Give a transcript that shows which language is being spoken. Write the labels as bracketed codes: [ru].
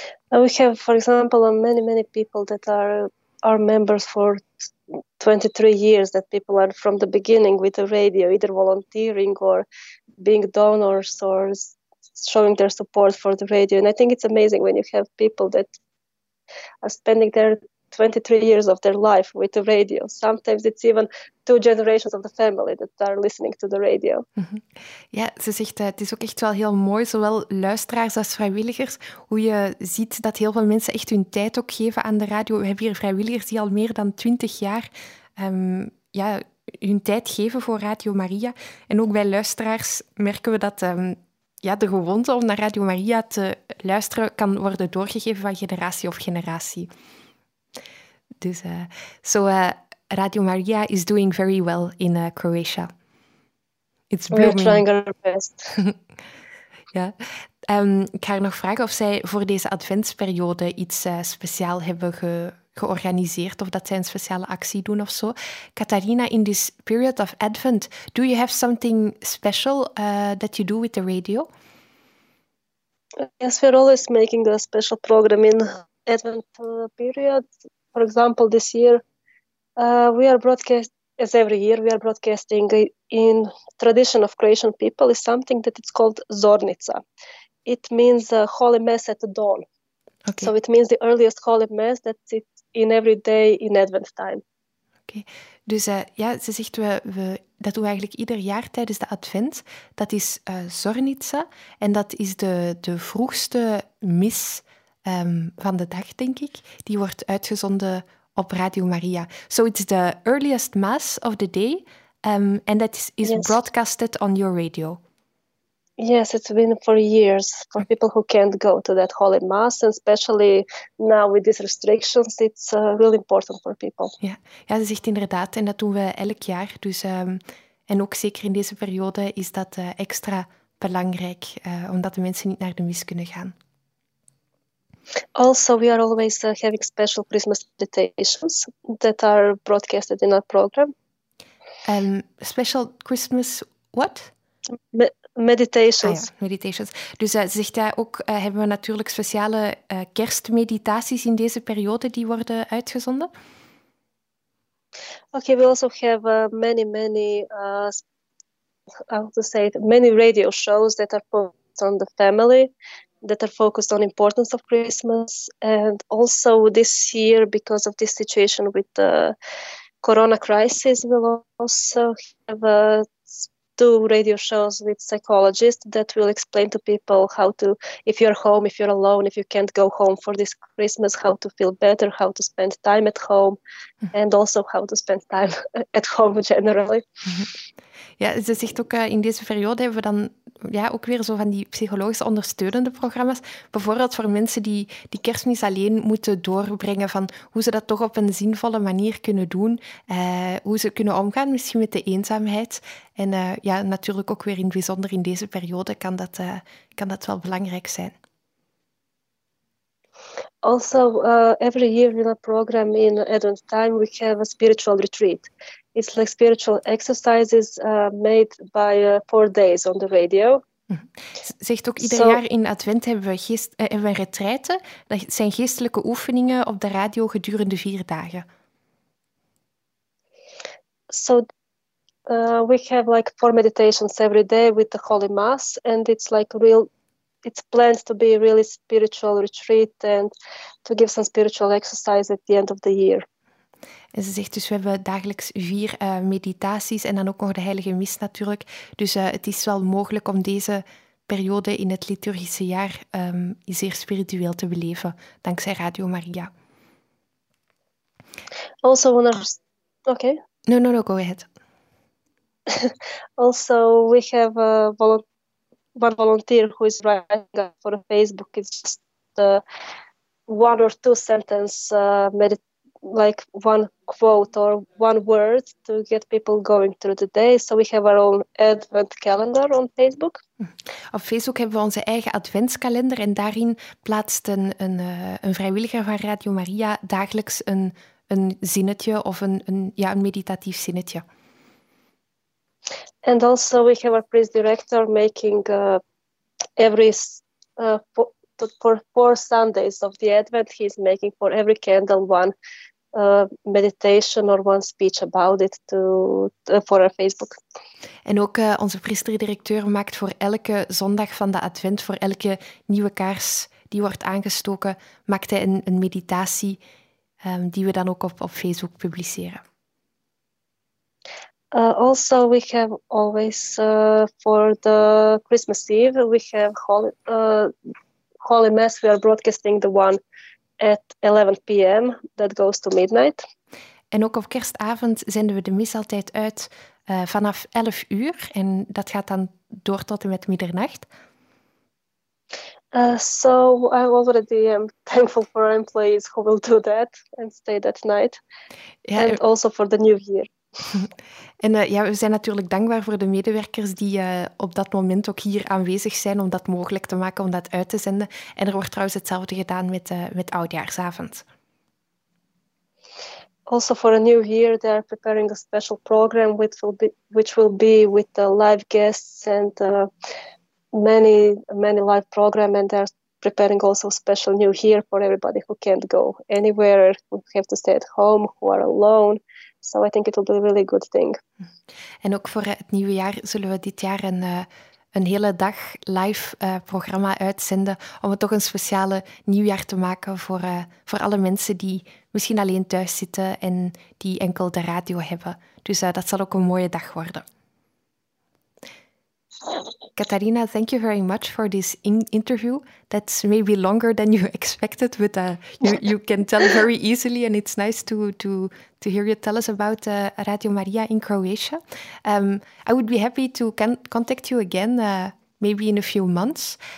[en] We have, for example, many people that are members for 23 years, that people are from the beginning with the radio, either volunteering or being donors or showing their support for the radio. And I think it's amazing when you have people that are spending their 23 years of their life with the radio. Sometimes it's even two generations of the family that are listening to the radio. Mm-hmm. [nl] Ja, ze zegt, het is ook echt wel heel mooi, zowel luisteraars als vrijwilligers, hoe je ziet dat heel veel mensen echt hun tijd ook geven aan de radio. We hebben hier vrijwilligers die al meer dan 20 jaar hun tijd geven voor Radio Maria. En ook bij luisteraars merken we dat de gewoonte om naar Radio Maria te luisteren kan worden doorgegeven van generatie op generatie. [en] Dus Radio Maria is doing very well in Croatia. It's blooming. We're trying our best. Ja. [nl] Ik ga haar nog vragen of zij voor deze adventsperiode iets speciaal hebben georganiseerd of dat zij een speciale actie doen of zo. [en] Katharina, in this period of Advent, do you have something special that you do with the radio? Yes, we're always making a special program in Advent period. For example, this year, we are broadcast, as every year, we are broadcasting in tradition of Croatian people, is something that it's called Zornica. It means Holy Mass at the dawn. Okay. So it means the earliest Holy Mass that it in every day in Advent time. Oké. Okay. [nl] Dus ze zegt, we dat doen we eigenlijk ieder jaar tijdens de Advent. Dat is Zornica. En dat is de vroegste mis van de dag, denk ik. Die wordt uitgezonden op Radio Maria. [en] So it's the earliest Mass of the day. And that is yes. Broadcasted on your radio. Yes, it's been for years for people who can't go to that Holy Mass, and especially now with these restrictions, it's really important for people. [nl] Ja, ze zegt inderdaad, en dat doen we elk jaar. Dus, en ook zeker in deze periode is dat extra belangrijk, omdat de mensen niet naar de mis kunnen gaan. [en] Also, we are always having special Christmas meditations that are broadcasted in our program. Special Christmas what? Meditations. [nl] Dus ze zegt ja, ook hebben we natuurlijk speciale kerstmeditaties in deze periode die worden uitgezonden? [en] Okay, we also have many, many, many radio shows that are focused on the family, that are focused on the importance of Christmas. And also this year, because of this situation with the corona crisis, we'll also have two radio shows with psychologists that will explain to people how to, if you're home, if you're alone, if you can't go home for this Christmas, how to feel better, how to spend time at home, mm-hmm. and also how to spend time at home generally. Mm-hmm. [nl] Ja, ze zegt ook in deze periode hebben we dan ja, ook weer zo van die psychologisch ondersteunende programma's. Bijvoorbeeld voor mensen die die kerstmis alleen moeten doorbrengen van hoe ze dat toch op een zinvolle manier kunnen doen. Hoe ze kunnen omgaan misschien met de eenzaamheid. En ja, natuurlijk ook weer in het bijzonder in deze periode kan dat wel belangrijk zijn. [en] Also, every year in a program in Advent time we have a spiritual retreat. It's like spiritual exercises made by 4 days on the radio. [nl] Zegt ook ieder jaar in Advent hebben we retreiten. Dat zijn geestelijke oefeningen op de radio gedurende 4 dagen. [en] So we have like 4 meditations every day with the Holy Mass, and it's like real. It's planned to be a really spiritual retreat and to give some spiritual exercise at the end of the year. [nl] En ze zegt dus, we hebben dagelijks 4 meditaties en dan ook nog de Heilige Mis natuurlijk. Dus het is wel mogelijk om deze periode in het liturgische jaar zeer spiritueel te beleven, dankzij Radio Maria. [en] Also, on our... Okay. No, go ahead. Also, we have one volunteer who is writing for Facebook. It's just one or two sentence meditation. Like one quote or one word to get people going through the day. So we have our own advent calendar on Facebook. [nl] Op Facebook hebben we onze eigen adventskalender en daarin plaatst een vrijwilliger van Radio Maria dagelijks een zinnetje of een meditatief zinnetje. [en] And also we have our priest director making for 4 Sundays of the advent, he's making for every candle one. Meditation or one speech about it for our Facebook. [nl] En ook onze priesterdirecteur maakt voor elke zondag van de advent, voor elke nieuwe kaars die wordt aangestoken, maakt hij een meditatie die we dan ook op Facebook publiceren. [en] Also, we have always for the Christmas Eve, we have Holy Mass, we are broadcasting the one at 11 p.m. that goes to midnight. [nl] En ook op kerstavond zenden we de mis altijd uit vanaf 11 uur. En dat gaat dan door tot en met middernacht. [en] So I already am thankful for our employees who will do that and stay that night. Ja, and also for the new year. [nl] En we zijn natuurlijk dankbaar voor de medewerkers die op dat moment ook hier aanwezig zijn om dat mogelijk te maken, om dat uit te zenden. En er wordt trouwens hetzelfde gedaan met Oudjaarsavond. [en] Also for a new year, they are preparing a special program which will be with the live guests and many live program. And they are preparing also a special new year for everybody who can't go anywhere, who have to stay at home, who are alone. So I think it will be a really good thing. [nl] En ook voor het nieuwe jaar zullen we dit jaar een hele dag live programma uitzenden om het toch een speciale nieuwjaar te maken voor alle mensen die misschien alleen thuis zitten en die enkel de radio hebben. Dus dat zal ook een mooie dag worden. [en] Katharina, thank you very much for this interview. That's maybe longer than you expected, but you can tell very easily, and it's nice to hear you tell us about Radio Maria in Croatia. I would be happy to contact you again, maybe in a few months.